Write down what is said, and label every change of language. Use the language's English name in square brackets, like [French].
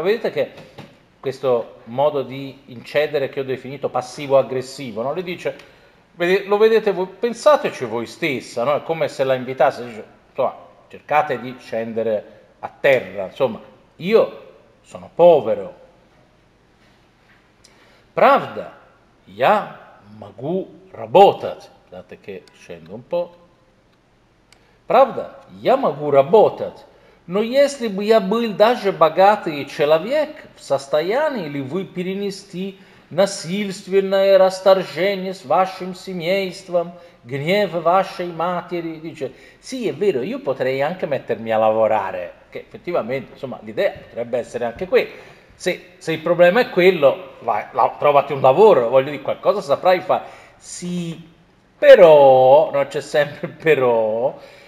[Italian] Vedete che questo modo di incedere che ho definito passivo-aggressivo, no? Lui dice, lo vedete voi, pensateci voi stessa, no? È come se la invitasse, dice, insomma, cercate di scendere a terra, insomma, io sono povero. [Russian] Pravda, ya magu rabotat, [Italian] guardate che scendo un po'. [Russian] Правда, я могу работать, но если бы я был даже богатый человек, в состоянии ли вы перенести насильственное расторжение с вашим семейством, гнев вашей матери? [Italian] Dice, sì, è vero, io potrei anche mettermi a lavorare, che effettivamente, insomma, l'idea potrebbe essere anche quella. Se il problema è quello, vai, trovati un lavoro, voglio dire, qualcosa saprai fare. Sì, però, non c'è sempre però.